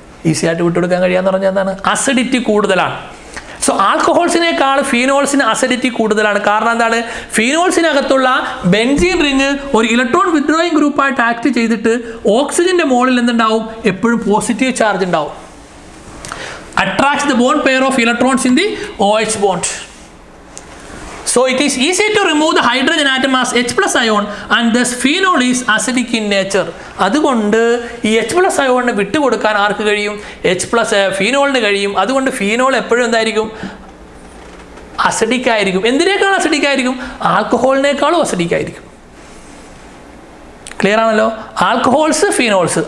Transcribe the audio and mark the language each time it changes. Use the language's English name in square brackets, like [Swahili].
[Malayalam] ഈസിയായിട്ട് വിട്ടുകൊടുക്കാൻ കഴിയുക എന്ന് പറഞ്ഞാൽ എന്താണ്? അസിഡിറ്റി കൂടുതലാണ്. സോ ആൽക്കഹോൾസിനേക്കാൾ ഫീനോൾസിന് അസിഡിറ്റി കൂടുതലാണ്. കാരണം എന്താണ്? ഫീനോൾസിനകത്തുള്ള ബെൻസീൻ റിങ് ഒരു ഇലക്ട്രോൺ വിത്ഡ്രോയിങ് ഗ്രൂപ്പായിട്ട് ആക്ട് ചെയ്തിട്ട് ഓക്സിജൻ്റെ മോളിൽ എന്തുണ്ടാവും? എപ്പോഴും പോസിറ്റീവ് ചാർജ് ഉണ്ടാവും. [English] Attracts the bond pair of electrons in the O H bond. So it is easy to remove the hydrogen atom as H plus ion and thus phenol is acidic in nature. [Malayalam] അതുകൊണ്ട് ഈ H plus അയോണിനെ വിട്ടുകൊടുക്കാൻ ആർക്ക് കഴിയും? H plus ഫീനോളിന് കഴിയും. അതുകൊണ്ട് phenol എപ്പോഴും എന്തായിരിക്കും? Acidic ആയിരിക്കും. എന്തിനേക്കാളും acidic ആയിരിക്കും? ആൽക്കഹോളിനേക്കാളും അസിഡിക് ആയിരിക്കും. ക്ലിയർ ആണല്ലോ. Alcohols phenols.